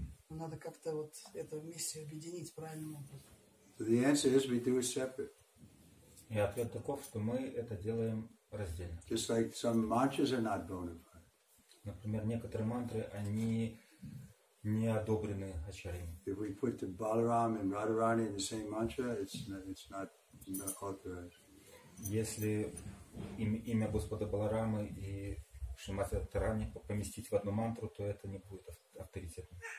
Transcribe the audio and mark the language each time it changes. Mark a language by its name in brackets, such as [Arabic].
[Russian] Но надо как-то вот это вместе объединить правильным образом. [English] So the answer is we do it separate. [Russian] И ответ таков, что мы это делаем раздельно. [English] Just like some mantras are not bona fide. [Russian] Например, некоторые мантры, они не одобрены ачарьями. [English] If we put the Balaram and Radharani in the same mantra, it's not authorized. [Russian] Если имя Господа Баларамы и Шримати Радхарани поместить в одну мантру, то это не будет авторитетно.